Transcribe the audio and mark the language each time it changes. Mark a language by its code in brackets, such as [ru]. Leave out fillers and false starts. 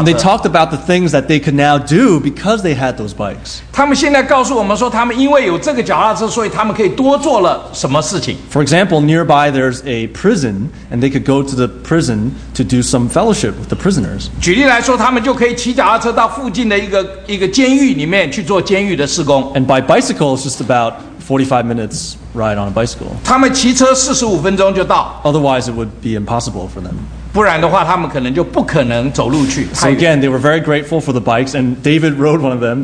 [en] And they talked about the things that they could now do because they had those bikes. [zh] 他们现在告诉我们说，他们因为有这个脚踏车，所以他们可以多做了什么事情。 [en] For example, nearby there's a prison, and they could go to the prison to do some fellowship with the prisoners. [zh] 举例来说，他们就可以骑脚踏车到附近的一个监狱里面去做监狱的事工。 [en] And by bicycle, it's just about 45 minutes ride on a bicycle. [zh] 他们骑车45分钟就到。 [en] Otherwise, it would be impossible for them. [zh] 不然的话，他们可能就不可能走路去。 [en] So again, they were very grateful for the bikes, and David rode one of them.